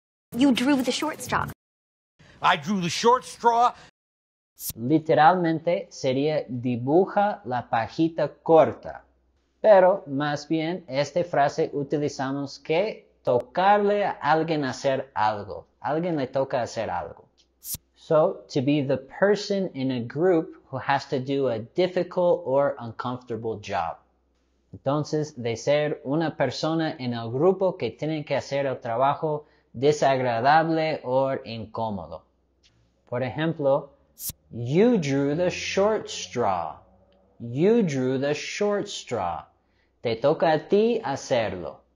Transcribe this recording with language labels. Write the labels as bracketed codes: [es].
[en] You drew the short straw. I drew the short straw. [es] Literalmente sería dibuja la pajita corta. Pero más bien esta frase utilizamos que tocarle a alguien hacer algo. Alguien le toca hacer algo. [en] So, to be the person in a group who has to do a difficult or uncomfortable job. [es] Entonces, de ser una persona en el grupo que tiene que hacer el trabajo desagradable o incómodo. Por ejemplo, [en] you drew the short straw. You drew the short straw. [es] Te toca a ti hacerlo.